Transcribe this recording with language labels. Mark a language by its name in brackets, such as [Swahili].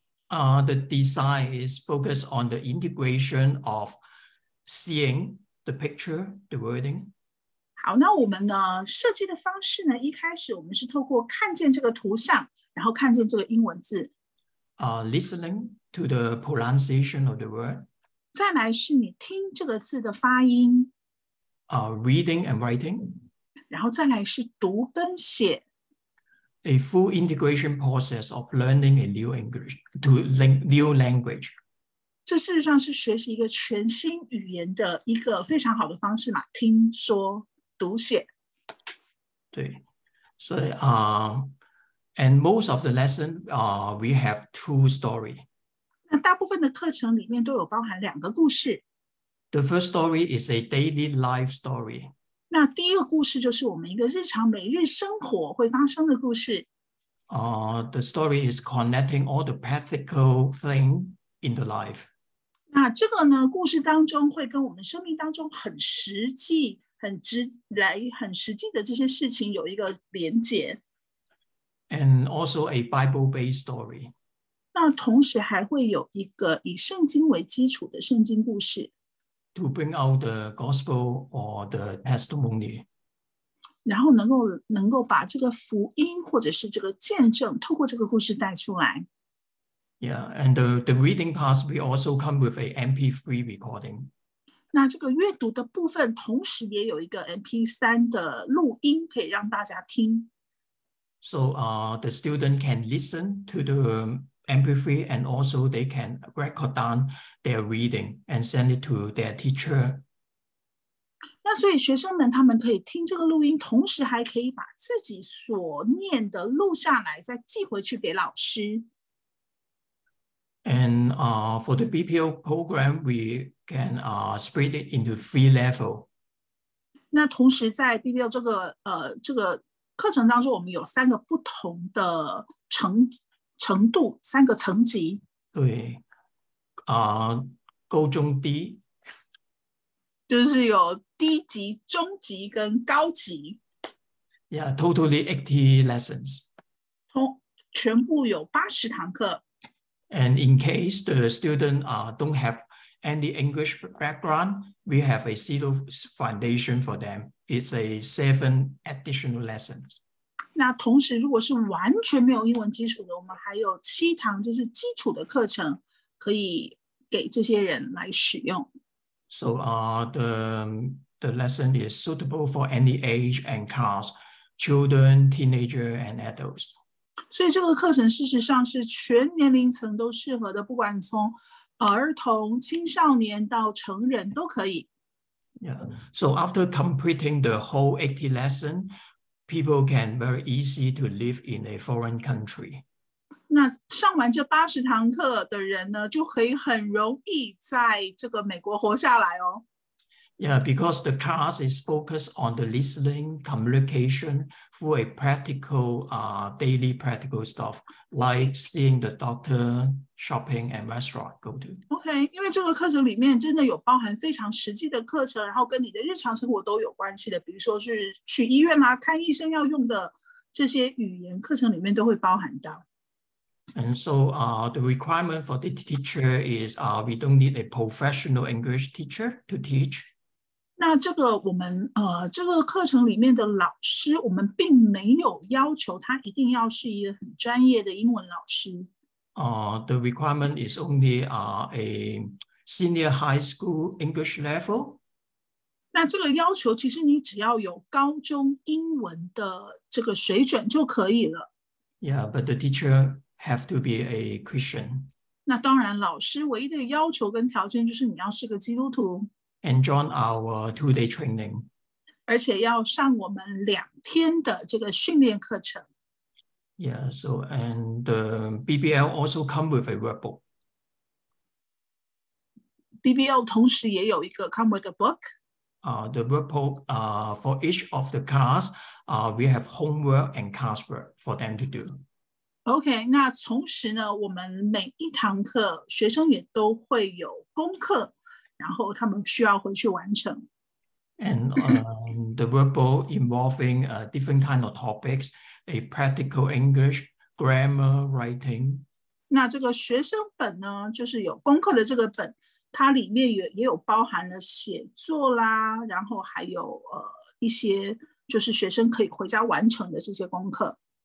[English] The design is focused on the integration of seeing the picture, the wording. [Chinese] 好，那我们呢设计的方式呢？一开始我们是透过看见这个图像，然后看见这个英文字。 [English] Listening to the pronunciation of the word. [Chinese] 再来是你听这个字的发音。 [English] Reading and writing. [Chinese] 然后再来是读跟写。 [English] A full integration process of learning a new English to new language. [Chinese] 这事实上是学习一个全新语言的一个非常好的方式嘛，听说读写。对，所以 [English] and most of the lesson, we have two story. [Chinese] 那大部分的课程里面都有包含两个故事。 [English] The first story is a daily life story. [Chinese] 那第一个故事就是我们一个日常每日生活会发生的故事。 [English] The story is connecting all the practical things in the life. [Chinese] 那这个呢，故事当中会跟我们生命当中很实际、很直来、很实际的这些事情有一个连结。 [English] And also a Bible-based story. [Chinese] 那同时还会有一个以圣经为基础的圣经故事。 [English] To bring out the gospel or the testimony. [Chinese] 然后能够把这个福音或者是这个见证透过这个故事带出来。 [English] Yeah, and the reading part, we also come with a MP3 recording. [Chinese] 那这个阅读的部分同时也有一个 MP3 的录音可以让大家听。 [English] So the student can listen to the MP3 and also they can record down their reading and send it to their teacher. [Chinese] 那所以学生们他们可以听这个录音，同时还可以把自己所念的录下来，再寄回去给老师。 [English] And for the BPO program, we can split it into three level. [Chinese] 那同时在 BPO 这个课程当中，我们有三个不同的程度三个层级，对，高中低，就是有低级、中级跟高级。 [English] Yeah, totally 80 lessons. [Chinese] 全部有80堂课。 [English] And in case the student don't have any English background, we have a zero foundation for them. It's a 7 additional lessons. [Chinese] 那同时如果是完全没有英文基础的，我们还有七堂就是基础的课程可以给这些人来使用。 [English] So the lesson is suitable for any age and class, children, teenager, and adults. [Chinese] 所以这个课程事实上是全年龄层都适合的，不管从儿童、青少年到成人都可以。 [English] Yeah. So after completing the whole 80 lesson,People can very easy to live in a foreign country. [Chinese] 那上完这80堂课的人呢，就可以很容易在这个美国活下来哦。 [English] Yeah, because the class is focused on the listening communication for a practical, daily practical stuff, like seeing the doctor, shopping, and restaurant go to. [Chinese] Okay, 因为这个课程里面真的有包含非常实际的课程，然后跟你的日常生活都有关系的，比如说是去医院啦、看医生要用的这些语言课程里面都会包含到。 [English] And so, the requirement for the teacher is, we don't need a professional English teacher to teach. [Chinese] 那这个我们这个课程里面的老师，我们并没有要求他一定要是一个很专业的英文老师。 [English] The requirement is only a senior high school English level. [Chinese] 那这个要求其实你只要有高中英文的这个水准就可以了。 [English] Yeah, but the teacher have to be a Christian. [Chinese] 那当然，老师唯一的要求跟条件就是你要是个基督徒。 [English] And join our two-day training. [Chinese] 而且要上我们两天的这个训练课程。 [English] Yeah, so and the BBL also come with a workbook. [Chinese] BBL 同时也有一个 [English] come with a book. The workbook for each of the class, we have homework and classwork for them to do. [Chinese] Okay, 那同时呢，我们每一堂课学生也都会有功课，然后他们需要回去完成。 [English] And the workbook involving different kind of topics. A practical English, grammar, writing. [Chinese] 那这个学生本呢，就是有功课的这个本，它里面 也有包含了写作啦，然后还有一些就是学生可以回家完成的这些功课。